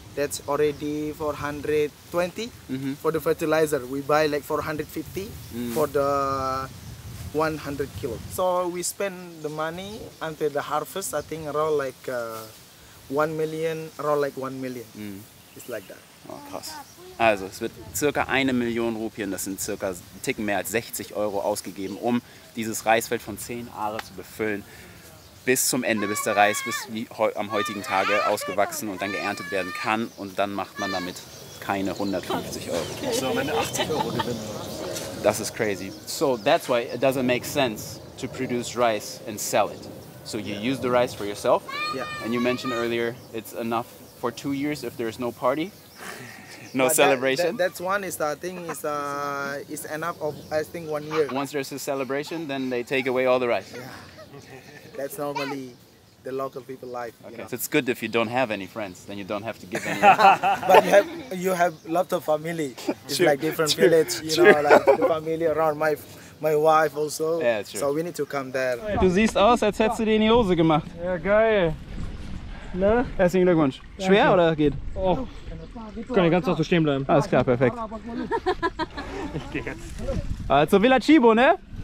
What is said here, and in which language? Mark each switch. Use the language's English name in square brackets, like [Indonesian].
[English] That's already 420. Mm-hmm. For the fertilizer, we buy like 450 for the 100 kilo. So we spend the money until the harvest, I think around like 1 million, around like 1 million. Mm. It's like that. [German] Oh, krass. Also es wird circa 1 Million Rupien, das sind circa ein Ticken mehr als 60 Euro ausgegeben, um dieses Reisfeld von 10 Ahre zu befüllen. Bis zum Ende, bis der Reis bis wie am heutigen Tage ausgewachsen und dann geerntet werden kann. Und dann macht man damit keine 150 Euro. So, wenn du 80 Euro gewinnst. Das ist crazy. [English] So, that's why it doesn't make sense to produce rice and sell it. So, you use the rice for yourself. Yeah. And you mentioned earlier, it's enough for 2 years if there is no party, no celebration. That's one is the thing is enough of I think 1 year. Once there's a celebration, then they take away all the rice. Yeah. That's normally the local people life. Okay. You know? So it's good if you don't have any friends, then you don't have to give any. But you have lots of family. It's true, like different true, village, you true. Know, like the family around my wife also. Yeah, true. So we need to come there. [German] Du siehst aus, als hättest du dir in die Hose gemacht. Ja, geil. Ne? Herzlichen Glückwunsch. Schwer oder geht? Oh. Kann ich ganz noch so stehen bleiben. Alles klar, perfekt. Ich geh jetzt. Also Villa Chibo, ne?